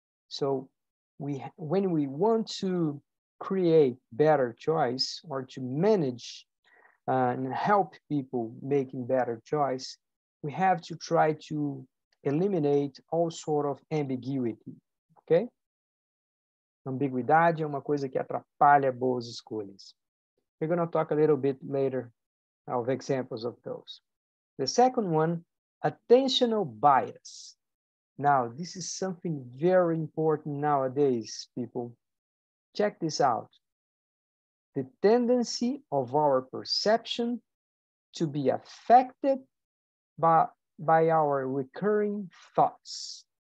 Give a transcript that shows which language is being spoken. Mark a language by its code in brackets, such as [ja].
[en] So when we want to create better choice or to manage and help people making better choice, we have to try to eliminate all sort of ambiguity, okay? [pt] Ambiguidade é uma coisa que atrapalha boas escolhas. [en] We're gonna talk a little bit later of examples of those. The second one, attentional bias. Now, this is something very important nowadays, people. Check this out. The tendency of our perception to be affected by our recurring thoughts.